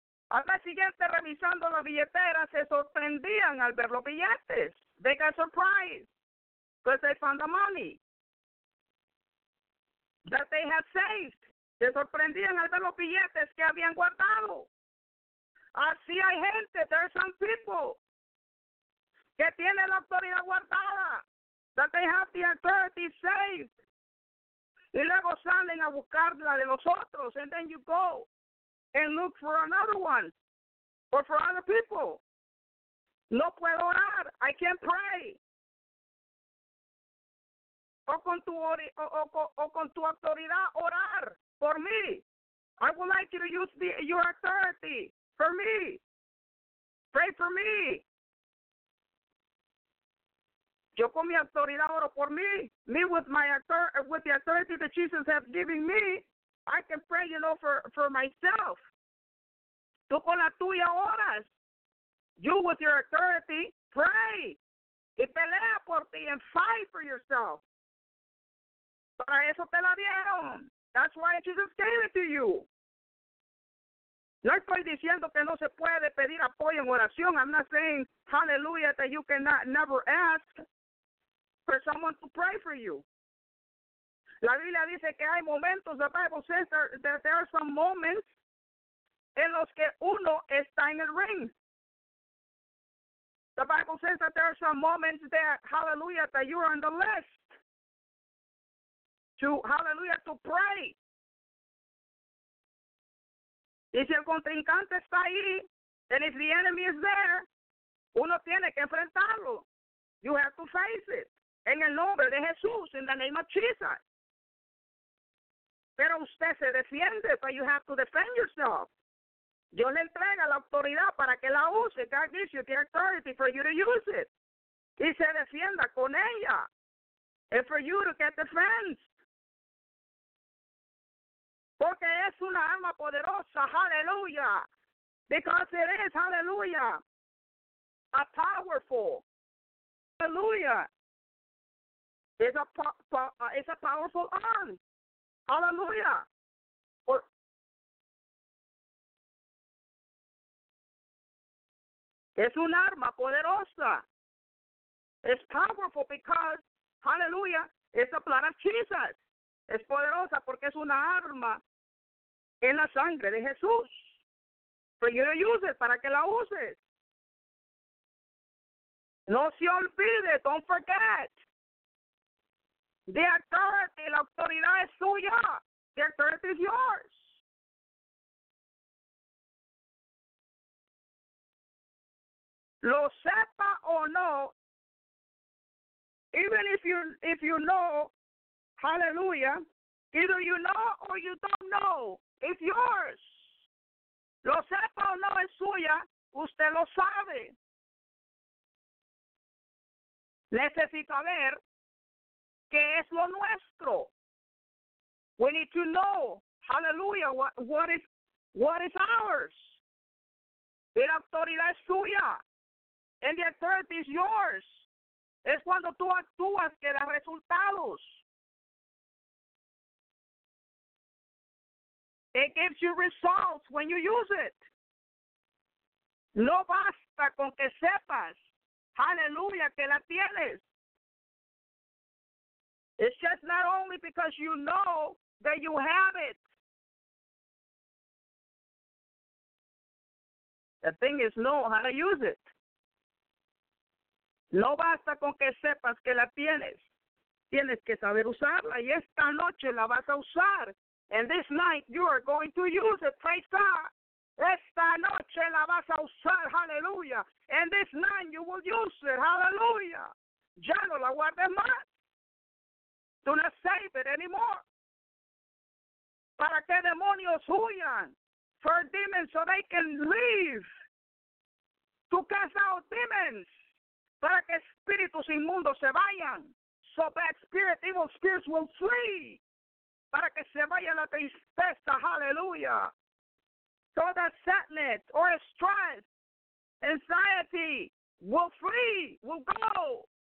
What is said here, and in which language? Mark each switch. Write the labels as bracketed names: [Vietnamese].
[Spanish] Al mes siguiente, revisando la billetera, se sorprendían al ver los billetes. [English] They got surprised because they found the money that they had saved. [Spanish] Se sorprendían al ver los billetes que habían guardado. Así hay gente. [English] There are some people [Spanish] que tiene la autoridad guardada, [English] that they have the authority saved. [Spanish] Y luego salen a buscarla de los otros, [English] and then you go and look for another one, or for other people. [Spanish] No puedo orar, [English] I can't pray. [Spanish] O con tu autoridad orar por mí. [English] I would like you to use your authority for me. Pray for me. [Spanish] Yo con mi autoridad oro por mí. [English] Me with my with the authority that Jesus has given me, I can pray, you know, for myself. [Spanish] Tú con la tuya oras. [English] You with your authority, pray. [Spanish] Y pelea por ti [English] and fight for yourself. [Spanish] Para eso te la dieron. [English] That's why Jesus gave it to you. [Spanish] No estoy diciendo que no se puede pedir apoyo en oración. [English] I'm not saying, hallelujah, that you cannot never ask for someone to pray for you. [Spanish] La Biblia dice que hay momentos, [English] the Bible says that there are some moments [Spanish] en los que uno está en el ring. [English] The Bible says that there are some moments that, hallelujah, that you are on the list. to, hallelujah, to pray. [Spanish] Y si el contrincante está ahí, [English] and if the enemy is there, [Spanish] uno tiene que enfrentarlo. [English] You have to face it. [Spanish] En el nombre de Jesús, [English] in the name of Jesus. [Spanish] Pero usted se defiende, [English] but you have to defend yourself. [Spanish] Dios le entrega la autoridad para que la use. [English] God gives you the authority for you to use it. [Spanish] Y se defienda con ella. [English] And for you to get defense. [Spanish] Porque es una arma poderosa. Hallelujah. [English] Because it is, hallelujah, a powerful. [Spanish] Hallelujah. [English] It's a powerful arm. Hallelujah. [Spanish] Es un arma poderosa. [English] It's powerful because, hallelujah, it's the blood of Jesus. [Spanish] Es poderosa porque es una arma en la sangre de Jesús. [English] For you to use it, [Spanish] para que la uses. No se olvide, [English] don't forget. The authority, [Spanish] la autoridad es suya. [English] The authority is yours. [Spanish] Lo sepa o no, [English] even if you know, hallelujah, either you know or you don't know, it's yours. [Spanish] Lo sepa o no, es suya, usted lo sabe. Necesita ver qué es lo nuestro. [English] We need to know, hallelujah, what is ours. [Spanish] Y la autoridad es suya. [English] And the authority is yours. [Spanish] Es cuando tú actúas que da resultados. [English] It gives you results when you use it. [Spanish] No basta con que sepas, hallelujah, que la tienes. [English] It's just not only because you know that you have it. The thing is, know how to use it. [Spanish] No basta con que sepas que la tienes. Tienes que saber usarla. Y esta noche la vas a usar. [English] And this night you are going to use it. Praise God. [Spanish] Esta noche la vas a usar. [English] Hallelujah. And this night you will use it. [Spanish] Hallelujah. Ya no la guardes más. [English] Do not save it anymore. [Spanish] Para que demonios huyan. [English] For demons so they can leave. To cast out demons. [Spanish] Para que espíritus inmundos se vayan. [English] So bad spirit, evil spirits will flee. [Spanish] Para que se vaya la tristeza. Hallelujah. [English] So that sadness or stress, anxiety will flee, will go.